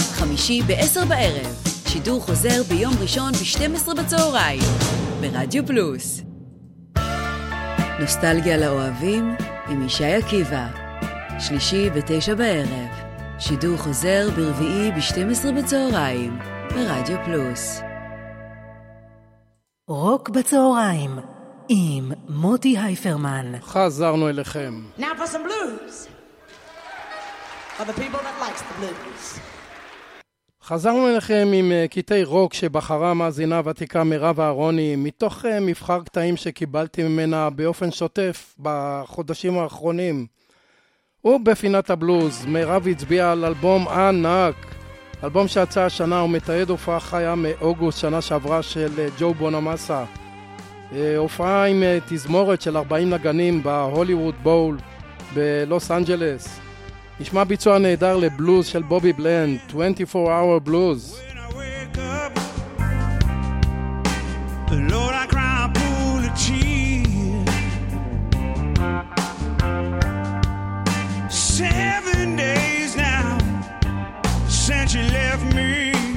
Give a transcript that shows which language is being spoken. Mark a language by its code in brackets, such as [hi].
[he] חמישי ב-10 בערב שידור חוזר ביום ראשון ב-12 בצהריים ברדיו פלוס נוסטלגיה לאוהבים עם ישי עקיבא שלישי ב-9 בערב שידור חוזר ברביעי ב-12 בצהריים ברדיו פלוס. רוק בצהריים עם מוטי הייפרמן. חזרנו אליכם. [en] Now for some blues for the people that likes the blues. [he] חזרנו אליכם עם קטעי רוק שבחרה מאזינה ותיקה מרב אהרוני, מתוך מבחר קטעים שקיבלתי ממנה באופן שוטף בחודשים האחרונים. ובפינת הבלוז, מרב הצביעה על אלבום ענק, אלבום שיצא השנה ומתעד הופעה חיה מאוגוסט שנה שעברה של ג'ו בונמאסה. הופעה עם תזמורת של 40 נגנים בהוליווד בול בלוס אנג'לס. נשמע ביצוע נהדר לבלוז של בובי בלנד, 24 hour blues. [en] When I wake up, Lord, I cry a pool of tears. 7 days now since you left me.